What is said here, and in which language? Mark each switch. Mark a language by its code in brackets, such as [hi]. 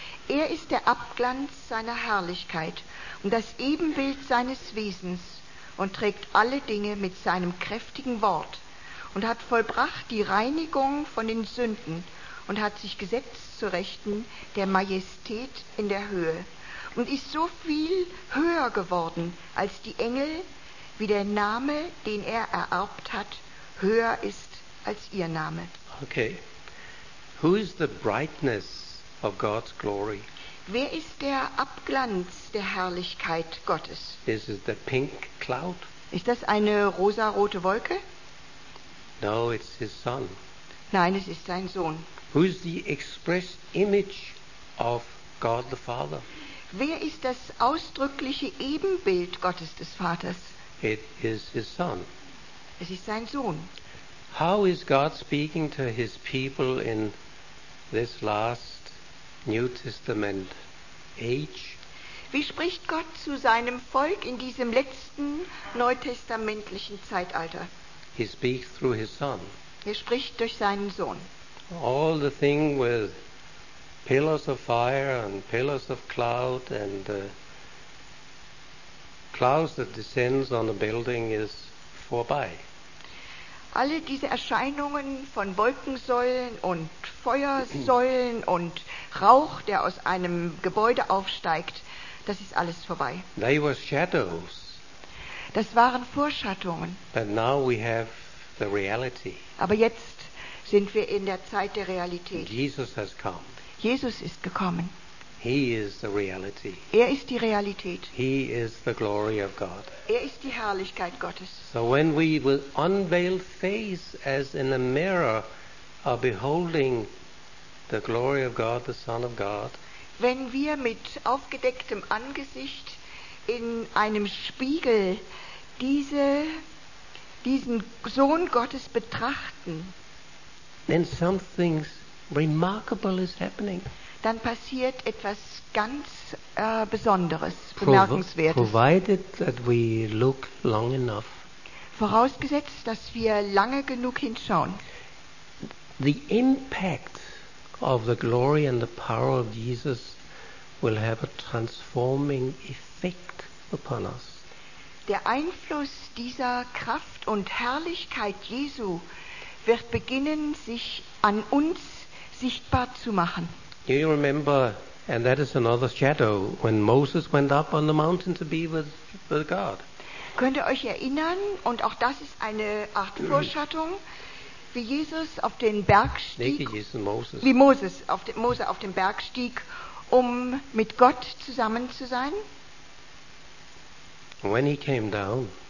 [de] Er ist der Abglanz seiner Herrlichkeit und das Ebenbild seines Wesens und trägt alle Dinge mit seinem kräftigen Wort und hat vollbracht die Reinigung von den Sünden und hat sich gesetzt zu Rechten der Majestät in der Höhe und ist so viel höher geworden als die Engel, wie der Name, den er ererbt hat, höher ist als ihr Name. Okay. [en] Who is the brightness of God's glory? [de] Wer ist der Abglanz der Herrlichkeit Gottes? [en] Is it the pink cloud? [de] Ist das eine rosarote Wolke? [en] No, it's his son. [de] Nein, es ist sein Sohn. [en] Who is the express image of God the Father? [de] Wer ist das ausdrückliche Ebenbild Gottes des Vaters? [en] It is his son. [de] Es ist sein Sohn. [en] How is God speaking to his people in this last New Testament age? [de] Wie spricht Gott zu seinem Volk in diesem letzten neutestamentlichen Zeitalter? [en] He speaks through his son. [de] Er spricht durch seinen Sohn. [en] All the thing with pillars of fire and pillars of cloud and clouds that descends on a building is vorbei. [de] Alle diese Erscheinungen von Wolkensäulen und Feuersäulen und Rauch, der aus einem Gebäude aufsteigt, das ist alles vorbei. [en] They were shadows. [de] Das waren Vorschattungen. [en] But now we have the reality. [de] Aber jetzt sind wir in der Zeit der Realität. [en] Jesus has come. [de] Jesus ist gekommen. [en] He is the reality. [de] Er ist die Realität. [en] He is the glory of God. [de] Er ist die Herrlichkeit Gottes. [en] So when we will unveil face as in a mirror are beholding the glory of God, the Son of God. [de] Wenn wir mit aufgedecktem Angesicht in einem Spiegel diesen Sohn Gottes betrachten, [en] then something remarkable is happening. [de] Dann passiert etwas ganz Besonderes, Bemerkenswertes. [en] Provided that we look long enough. [de] Vorausgesetzt, dass wir lange genug hinschauen. [en] The impact of the glory and the power of Jesus will have a transforming effect upon us. [de] Der Einfluss dieser Kraft und Herrlichkeit Jesu wird beginnen, sich an uns sichtbar zu machen. [en] Do you remember, and that is another shadow, when Moses went up on the mountain to be with God? [de] Könnt ihr euch erinnern, und auch das ist eine Art Vorschattung, wie Jesus auf den Berg stieg, Mose auf den Berg stieg, um mit Gott zusammen zu sein. [en] When he came down,